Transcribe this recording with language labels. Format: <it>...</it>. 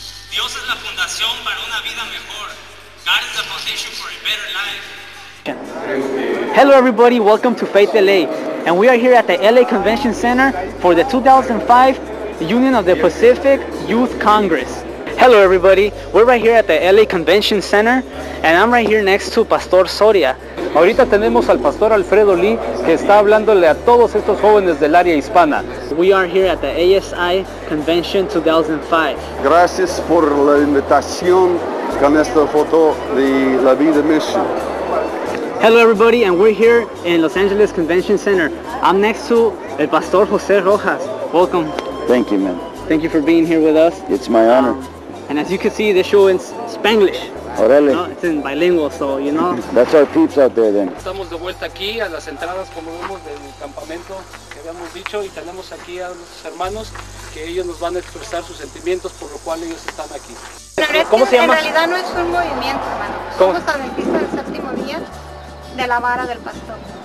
<es>Dios es la fundación para una vida mejor.</es> <en>God is the foundation for a better life. Hello everybody, welcome to Faith LA. And we are here at the LA Convention Center for the 2005 Union of the Pacific Youth Congress. Hello everybody, we're right here at the LA Convention Center and I'm right here next to Pastor Soria.</en> <es>Ahorita tenemos al Pastor Alfredo Lee que está hablándole a todos estos jóvenes del área hispana.</es> <en>We are here at the ASI Convention 2005.</en> <es>Gracias por la invitación con esta foto de La Vida Mission.</es> <en>Hello everybody, and we're here in Los Angeles Convention Center. I'm next to el Pastor José Rojas. Welcome. Thank you, man. Thank you for being here with us. It's my honor. And as you can see, the show in Spanglish. Oh, really? No, it's in bilingual, so you know. That's our peeps out there then.</en> <es>Estamos de vuelta aquí a las entradas, como vemos, del campamento que habíamos dicho, y tenemos aquí a los hermanos que ellos nos van a expresar sus sentimientos por lo cual ellos están aquí. ¿Cómo se llama? En realidad no es un movimiento, hermano. ¿Cómo? Somos adventistas del séptimo día de la vara del pastor.</es>